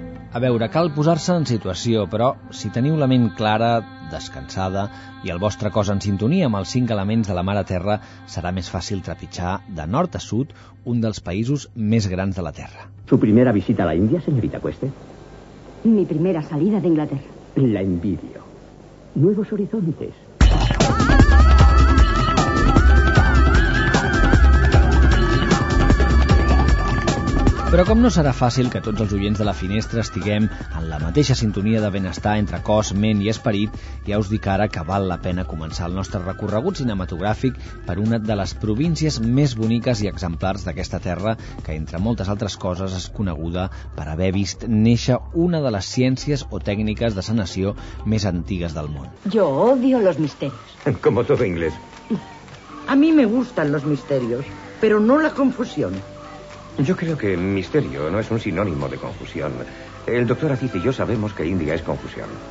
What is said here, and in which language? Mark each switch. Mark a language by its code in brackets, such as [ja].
[ca] A veure, cal posar-se en situació, però si teniu la ment clara, descansada i el vostre cos en sintonia amb els cinc elements de la Mare Terra, serà més fàcil trepitjar de nord a sud un dels països més grans de la Terra. [es] ¿Su primera visita a la India, señorita Cueste? Mi primera salida de Inglaterra. La envidio. Nuevos horizontes. [ca] Però com no serà fàcil que tots els oients de la finestra estiguem en la mateixa sintonia de benestar entre cos, ment i esperit, ja us dic ara que val la pena començar el nostre recorregut cinematogràfic per una de les províncies més boniques i exemplars d'aquesta terra, que entre moltes altres coses és coneguda per haver vist néixer una de les ciències o tècniques de sanació més antigues del món. [es] Yo odio los misterios. Como todo inglés. A mí me gustan los misterios, pero no la confusión. Yo creo que misterio no es un sinónimo de confusión. El doctor Aziz y yo sabemos que India es confusión.